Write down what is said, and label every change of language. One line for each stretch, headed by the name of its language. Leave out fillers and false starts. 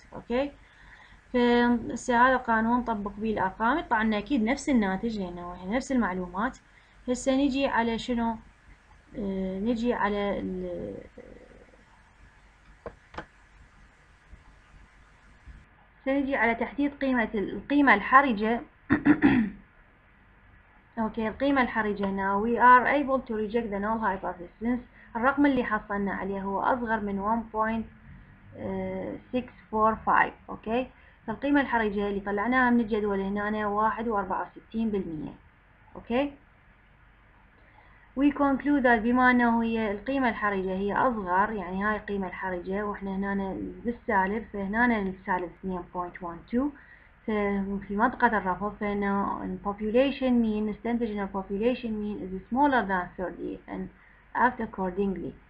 Arabic: أوكي، فهسه هذا القانون طبق بيه الأرقام، يطلع لنا أكيد نفس الناتج لأنه هي نفس المعلومات. هسه نجي على شنو؟ نجي على سنجي على تحديد قيمة القيمة الحرجة. اوكي، القيمة الحرجة هنا
English: we are able to reject the null hypothesis.
Arabic: الرقم اللي حصلنا عليه هو اصغر من 1.645. اوكي، فالقيمة الحرجة اللي طلعناها من الجدول هنا 61%. اوكي،
English: we conclude that
Arabic: بما انه هي القيمة الحرجة هي اصغر، يعني هاي القيمة الحرجة واحنا هنا بالسالب، فهنا السالب 2.12 في منطقة الرفض، فانه
English: population mean،
Arabic: نستنتج ان
English: population mean is smaller than 30 and act accordingly.